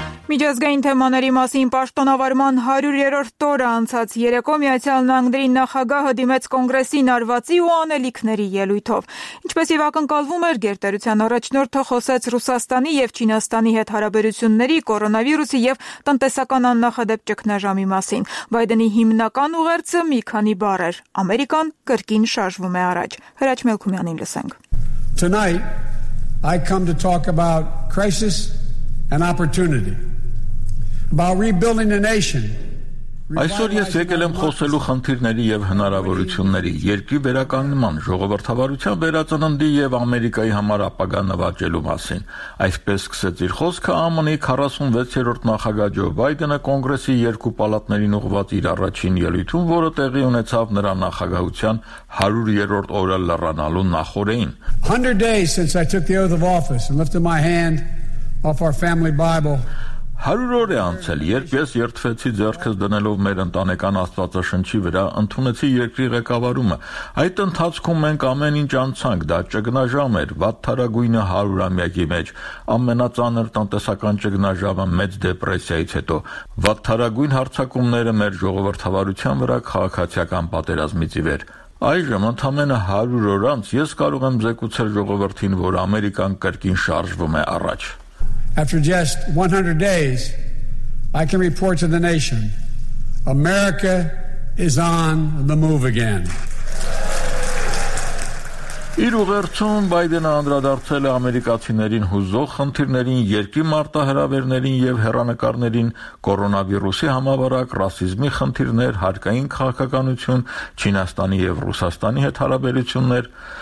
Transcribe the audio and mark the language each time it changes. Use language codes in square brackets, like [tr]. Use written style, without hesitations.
[hy] Միջազգային թեմաների մասին պաշտոնավարման 100-երորդ տորը անցած երեկո Միացյալ Նահանգների նախագահը դիմեց կոնգրեսին արվացի ու անելիքների ելույթով։ Ինչպես եւ ակնկալվում էր, գերտերության առաջնորդը խոսեց Ռուսաստանի եւ Չինաստանի հետ հարաբերությունների, կորոնավիրուսի եւ տնտեսական աննախադեպ ճգնաժամի մասին։ Բայդենի հիմնական ուղերձը մի քանի բառ էր. Ամերիկան կրկին շարժվում է առաջ։ Հրաչ Մելքումյանին լսենք։ [en] Tonight I come to talk about crisis an opportunity about rebuilding the nation. [hy] Այսօր ես եկել եմ խոսելու խնդիրների եւ հնարավորությունների, երկրի վերականգնման, ժողովրդավարության վերածննդի եւ Ամերիկայի համար ապագա նվաճելու մասին։ Այսպես սկսեց իր խոսքը ԱՄՆ-ի 46-րդ նախագահ Ջո Բայդենը կոնգրեսի երկու պալատներին ուղղված իր առաջին ելույթում, որը տեղի ունեցավ նրա նախագահության 100-երորդ օրը լրանալու նախորեին։ [en] 100 days since I took the oath of office and lifted my hand off our family Bible. [hy] 100 օր է անցել, երբ ես երդվեցի ձեռքս դնելով մեր ընտանեկան աստվածաշնչի վրա, ընդունեցի երկրի ղեկավարումը։ Այդ ընթացքում մենք ամեն ինչ անցանք, դա ճգնաժամ էր, վատթարագույնը 100 ամյակի մեջ, ամենածանր տնտեսական ճգնաժամը մեծ դեպրեսիայից հետո, վատթարագույն հարձակումները մեր ժողովրդավարության վրա քաղաքացիական պատերազմից ի վեր։ Այժմ ընդամենը 100 օր անց ես կարող եմ զեկուցել ժողովրդին, որ Ամերիկան կրկին շարժվում է առաջ։ [en] After just 100 days, I can report to the nation, America is on the move again. [hy] Իր ուղերձում Բայդենը անդրադարձել է ամերիկացիներին հուզող խնդիրներին, երկրի մարտահրավերներին և հեռանկարներին, կորոնավիրուսի համավարակ, ռասիզմի խնդիրներ, հարկային քաղաքականություն, Չինաստանի և Ռուսաստանի հետ հարաբերություններ.